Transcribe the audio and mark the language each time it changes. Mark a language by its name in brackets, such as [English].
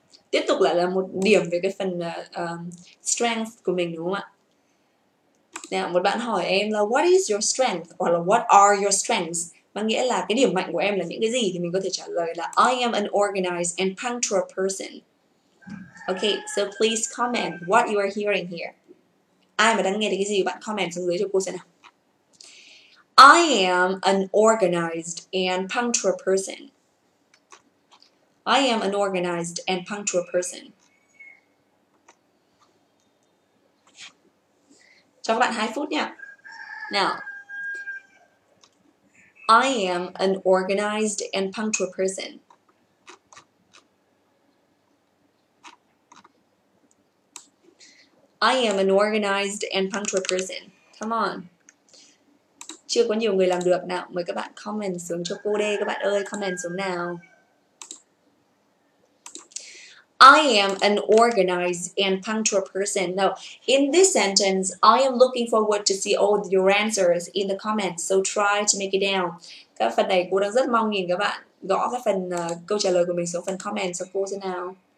[Vietnamese] Tiếp tục lại là một điểm về cái phần strength của mình, đúng không ạ? Nào, một bạn hỏi em là [English] what is your strength? [Vietnamese] Hoặc là [English] what are your strengths? [Vietnamese] Mà nghĩa là cái điểm mạnh của em là những cái gì? Thì mình có thể trả lời là [English] I am an organized and punctual person. Ok, so please comment what you are hearing here. [Vietnamese] Ai mà đang nghe được cái gì bạn comment xuống dưới cho cô xem nào. [English] I am an organized and punctual person. I am an organized and punctual person. [Vietnamese] Cho các bạn 2 phút nha. [English] Now, I am an organized and punctual person. I am an organized and punctual person. Come on. [Vietnamese] Chưa có nhiều người làm được nào. Mời các bạn comment xuống cho cô đây. Các bạn ơi, comment xuống nào. [English] I am an organized and punctual person. Now, in this sentence, I am looking forward to see all your answers in the comments. So try to make it down. [Vietnamese] Các phần này cô đang rất mong nhìn các bạn. Gõ các phần câu trả lời của mình xuống phần comment cho cô xem nào.